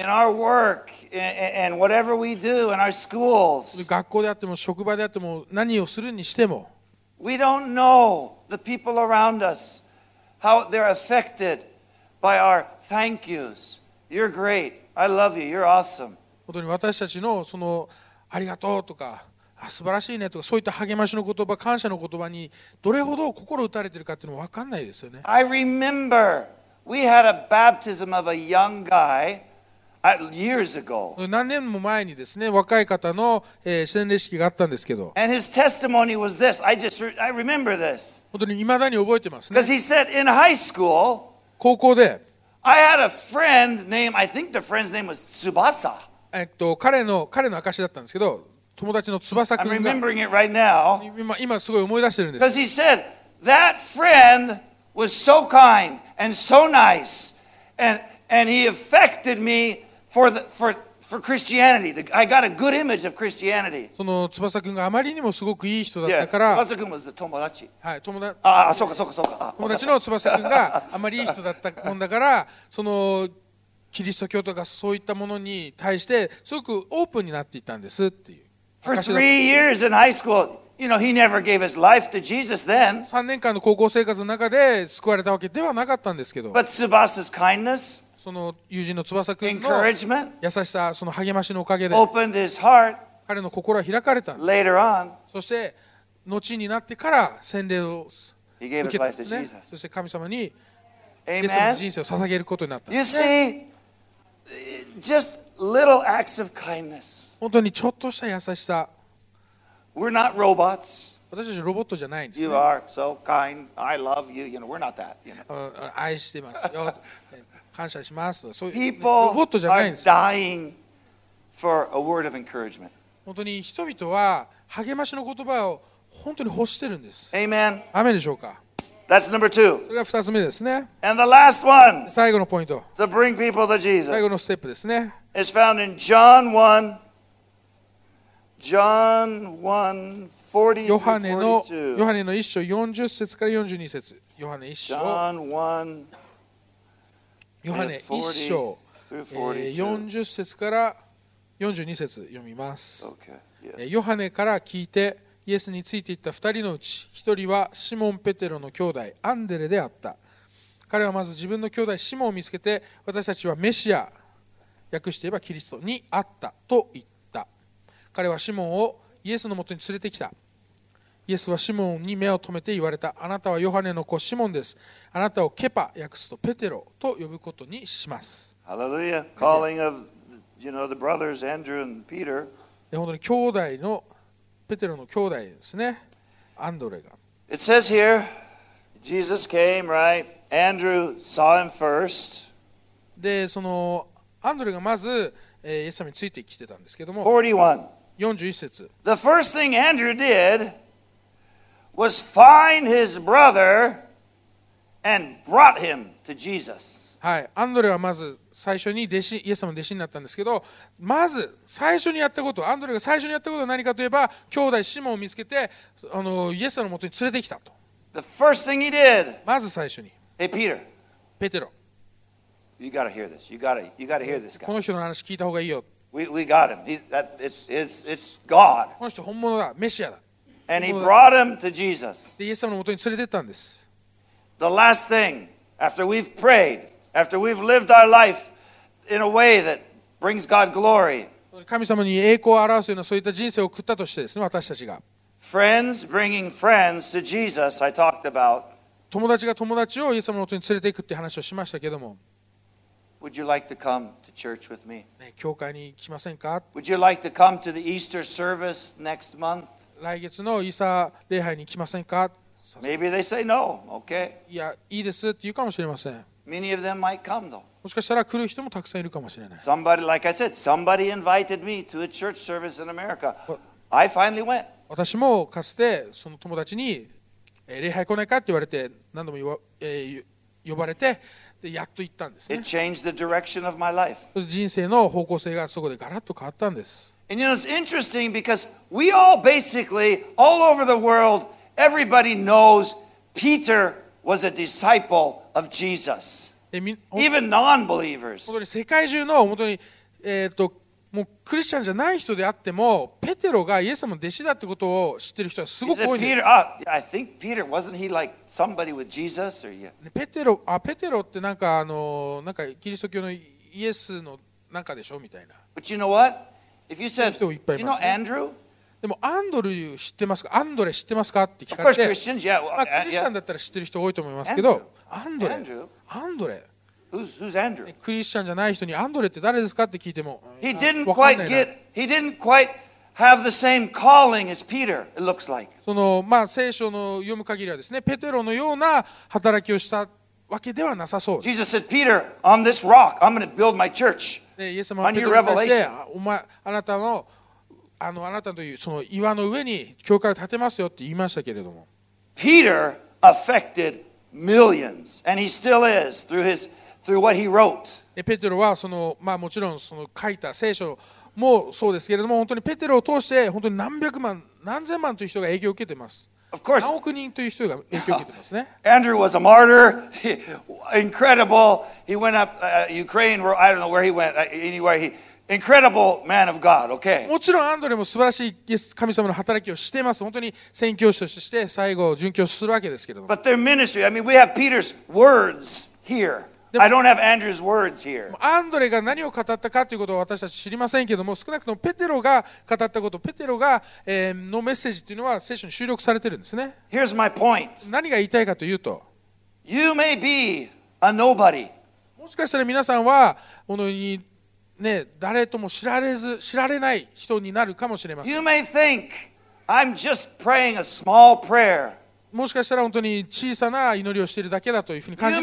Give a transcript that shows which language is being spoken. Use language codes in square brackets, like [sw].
[en] in our work, and whatever we do in our schools, [ja] 学校であっても職場であっても何をするにしても、 [en] we don't know the people around us, how they're affected by our thank yous. You're great. I love you. You're awesome. [ja] 本当に私たちのそのありがとうとか、あ、素晴らしいねとか、そういった励ましの言葉、感謝の言葉にどれほど心打たれてるかっていうのも分かんないですよね。 [en] I remember we had a baptism of a young guy years ago. [ja] 何年も前にですね、若い方の、洗礼式があったんですけど。 [en] And his testimony was this. I remember this. [ja] 本当に未だに覚えてますね。 [en] Because he said in high school, [ja] 高校で、 [en] I had a friend named, I think the friend's name was Tsubasa. [ja] 彼の証だったんですけど、友達の翼くんが、 [en] I'm remembering it right now. [ja] 今すごい思い出してるんです。 [en] Because he said that friend was so kind and so nice, and he affected me for Christianity. I got a good image of Christianity. [ja] その翼くんがあまりにもすごくいい人だったから、 [en] yeah. 翼くん was the [ja] 友達。はい、友達。ああ、そうかそうかそうか。友達の翼くんがあまりいい人だったもんだから、そのキリスト教とかそういったものに対してすごくオープンになっていたんですっていう。 [en] For three years in high school, you know, he never gave his life to Jesus then. [ja] 3年間の高校生活の中で救われたわけではなかったんですけど。 [en] But Tsubasa's kindness, [ja] その友人の翼くんの [en] encouragement, [ja] 優しさ、その励ましのおかげで、 [en] opened his heart, [ja] 彼の心は開かれたんです。 [en] Later on, [ja] そして後になってから洗礼を受けたんですね。そして神様に、イエス様の人生を捧げることになったんです。 [en] You see, just little acts of kindness. [ja] 本当にちょっとした優しさ。 [en] We're not robots. [ja] 私たちロボットじゃないんですね。 [en] You are so kind. I love you. You know, we're not that. You know. [ja] 愛してますよ。感謝します。そういう、ね、ロボットじゃないんです。 [en] People are dying for a word of encouragement. [ja] 本当に人々は励ましの言葉を本当に欲してるんです。 [en] Amen. [ja] アーメンでしょうか。 [en] That's number two. [ja] それが二つ目ですね。 [en] And the last one. [ja] 最後のポイント。 [en] To bring people to Jesus. [ja] 最後のステップですね。 [en] Is found in John 1. John 1:40-42. [ja] ヨハネの一章40節から42節。ヨハネ一章。 [en] John [ja] 1. ヨハネ一章。 40節から42節読みます。 [en] Okay. Yes. [ja] ヨハネから聞いてイエスについていった2人のうち、1人はシモン・ペテロの兄弟アンデレであった。彼はまず自分の兄弟シモンを見つけて、私たちはメシア、訳して言えばキリストに会ったと言った。彼はシモンをイエスのもとに連れてきた。イエスはシモンに目を留めて言われた。あなたはヨハネの子シモンです。あなたをケパ、訳すとペテロと呼ぶことにします。ハレルヤ。 [en] Calling of, you know, the brothers, Andrew and Peter. [ja] 本当に兄弟の、ペテロの兄弟ですね。アンドレが。 [en] It says here, Jesus came, right? Andrew saw him first. [ja] で、そのアンドレがまず、イエス様についてきてたんですけども。 41節。 [en] The first thing Andrew did was find his brother and brought him to Jesus. [ja] はい、アンドレはまず最初に弟子、イエス様の弟子になったんですけど、まず最初にやったこと、アンドレが最初にやったことは何かといえば、兄弟シモンを見つけて、あのイエス様のもとに連れてきたと。 [en] The first thing he did, [ja] まず最初に。 [en] Hey, Peter. [ja] ペテロ。 [en] You gotta hear this. You gotta hear this guy. [ja] この人の話聞いた方がいいよ。 [en] We got him. It's God. [ja] この人本物だ。メシアだ。 [en] And he brought him to Jesus. [ja] で、イエス様のもとに連れてったんです。 [en] The last thing, after we've prayed, after we've lived our life in a way that brings God glory. [ja] 神様に栄光を表すようなそういった人生を送ったとしてですね、私たちが。 [en] Friends bringing friends to Jesus, I talked about. [ja] 友達が友達をイエス様のもとに連れていくって話をしましたけども。 [en] Would you like to come to church with me? [ja] ね、教会に来ませんか? [en] Would you like to come to the Easter service next month? [ja] 来月のイーサー礼拝に来ませんか? [en] Maybe they say no. Okay. [ja] いや、いいですって言うかもしれません。 [en] Many of them might come though. [ja] もしかしたら来る人もたくさんいるかもしれない。 [en] Somebody, like I said, somebody invited me to a church service in America. I finally went. [ja] 私もかつてその友達に礼拝来ないかって言われて何度も呼ばれてでやっと行ったんですね。 [en] It changed the direction of my life. [ja] 人生の方向性がそこでガラッと変わったんです。 [en] And you know, it's interesting because we all basically, all over the world, everybody knows Peter was a disciple of Jesus. Even non-believers. [ja] 本当に世界中の本当に、もうクリスチャンじゃない人であっても、ペテロがイエス様の弟子だってことを知ってる人はすごく多いんです。 [en] I think Peter, wasn't he like somebody with Jesus or yeah? [ja] ペテロってなんかなんかキリスト教のイエスのなんかでしょみたいな。 [en] But you know what? If you said, you know Andrew? [ja] でもアンドル知ってますか？アンドレ知ってますか？って聞かれて、まあクリスチャンだったら知ってる人多いと思いますけど、アンドレ。 [en] Who's Andrew? [ja] クリスチャンじゃない人にアンドレって誰ですかって聞いても、 [en] He didn't quite get. He didn't quite have the same calling as Peter. It looks like. [ja] そのまあ聖書の読む限りはですね、ペテロのような働きをしたわけではなさそう。 [en] Jesus said, Peter, on this rock, I'm going to build my church. [ja] イエス様はペテロに対して、お前あなたのあのあなたというその岩の上に教会を建てますよって言いましたけれども。 [en] Peter affected millions, and he still is through his. Through what he wrote. [ja] ペテロはその、まあ、もちろんその書いた聖書もそうですけれども本当にペテロを通して本当に何百万何千万という人が影響を受けています。 [en] Of course, [ja] 何億人という人が影響を受けていますね。 [en] Andrew was a martyr. Incredible. He went up Ukraine. I don't know where he went. Anyway, he, incredible man of God. Okay. [ja] もちろんアンドレも素晴らしい神様の働きをしています。本当に宣教師としてして最後殉教するわけですけれども。 [en] But their ministry, I mean, we have Peter's words hereI don't have Andrew's words here. [ja] アンドレが何を語ったかということは私たち知りませんけども、少なくともペテロが語ったこと、ペテロが、のメッセージというのは聖書に収録されているんですね。 [en] Here's my point. [ja] 何が言いたいかというと、 [en] You may be a nobody. [ja] もしかしたら皆さんはこのように、ね、誰とも知られず、知られない人になるかもしれません。 [en] You may think I'm just praying a small prayer. [ja] もしかしたら本当に小さな祈りをしているだけだというふうに感じる